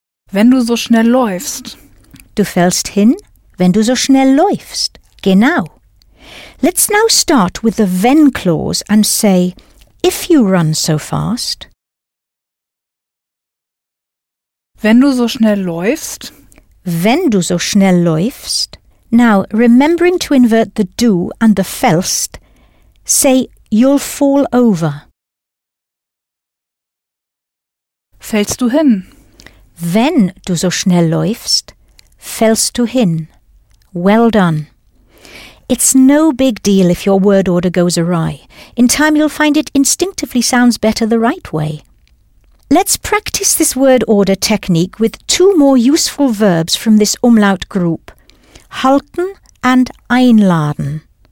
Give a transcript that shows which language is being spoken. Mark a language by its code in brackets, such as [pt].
[de] Wenn du so schnell läufst. Du fällst hin, wenn du so schnell läufst. Genau. [en] Let's now start with the wenn clause and say, if you run so fast. [de] Wenn du so schnell läufst. Wenn du so schnell läufst. [en] Now, remembering to invert the du and the fällst, say, you'll fall over. [de] Fällst du hin? Wenn du so schnell läufst, fällst du hin. [en] Well done. It's no big deal if your word order goes awry. In time you'll find it instinctively sounds better the right way. Let's practice this word order technique with two more useful verbs from this umlaut group, halten and einladen.